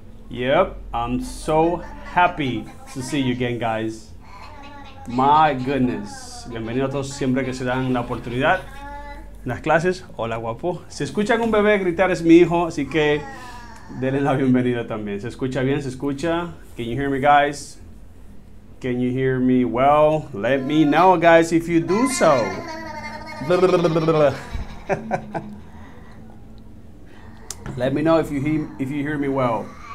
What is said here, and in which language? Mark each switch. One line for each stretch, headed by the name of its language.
English: Yep, I'm so happy to see you again, guys. My goodness.
Spanish: Bienvenidos a todos siempre que se dan la oportunidad. Las clases. Hola, guapo. Si escuchan un bebé gritar, es mi hijo, así que denle la bienvenida también. ¿Se escucha bien? ¿Se escucha?
English: Can you hear me, guys? Can you hear me well? Let me know, guys, if you do so. Blah, blah, blah, blah, blah. Let me know if you hear me well.